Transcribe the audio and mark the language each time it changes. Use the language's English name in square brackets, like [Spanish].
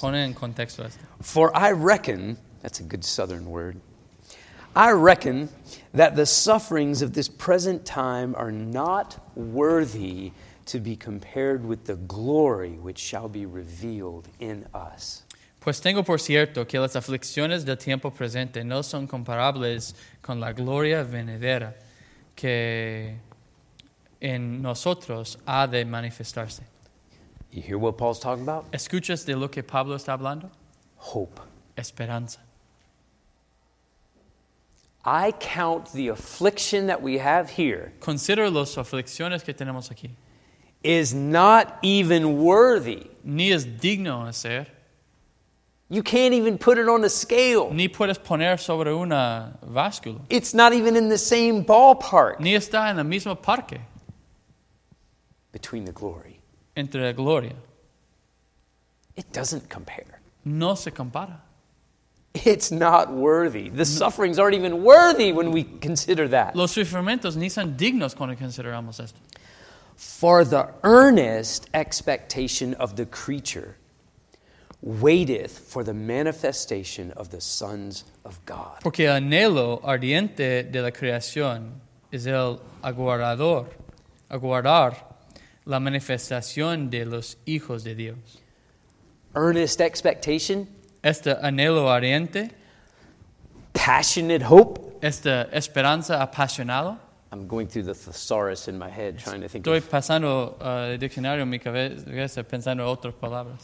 [Spanish] Pone en contexto esto. [English] For I reckon, that's a good southern word, I reckon that the sufferings of this present time are not worthy to be compared with the glory which shall be revealed in us. [Spanish] Pues tengo por cierto que las aflicciones del tiempo presente no son comparables con la gloria venidera que en nosotros ha de manifestarse. [English] You hear what Paul's talking about? [Spanish] ¿Escuchas de lo que Pablo está hablando? [English] Hope. [Spanish] Esperanza. [English] I count the affliction that we have here. [Spanish] Considero las aflicciones que tenemos aquí. [English] Is not even worthy. [Spanish] Ni es digno de ser. [English] You can't even put it on a scale. [Spanish] Ni puedes poner sobre una báscula. [English] It's not even in the same ballpark. [Spanish] Ni está en el mismo parque. [English] Between the glory. [Spanish] Entre la gloria. [English] It doesn't compare. [Spanish] No se compara. [English] It's not worthy. The sufferings aren't even worthy when we consider that. [Spanish] Los sufrimientos ni son dignos cuando consideramos esto. [English] For the earnest expectation of the creature waiteth for the manifestation of the sons of God. [Spanish] Porque anhelo ardiente de la creación es el aguardar la manifestación de los hijos de Dios. [English] Earnest expectation. [Spanish] Este anhelo ardiente. [English] Passionate hope. [Spanish] Esta esperanza apasionada. [English] I'm going through the thesaurus in my head trying to think. [Spanish] Estoy [English] of [Spanish] pasando el diccionario en mi cabeza pensando en otras palabras.